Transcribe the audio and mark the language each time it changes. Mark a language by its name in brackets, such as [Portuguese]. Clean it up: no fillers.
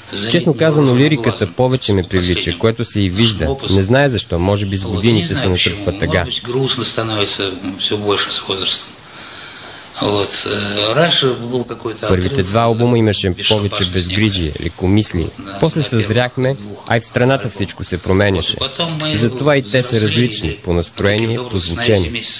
[Bulgarian] Честно казано, лириката повече ме привлича, което се и вижда. Не знае защо, може би с годините се натръпва тъга. [Russian] Грустно становится все больше с възрастом. Вот. Раньше был какой-то... [Bulgarian] Първите 2 албума имаше повече безгрижие, лекомислие. После съзряхме, а и в страната всичко се променяше. Затова и те са различни, по настроение, по звучение.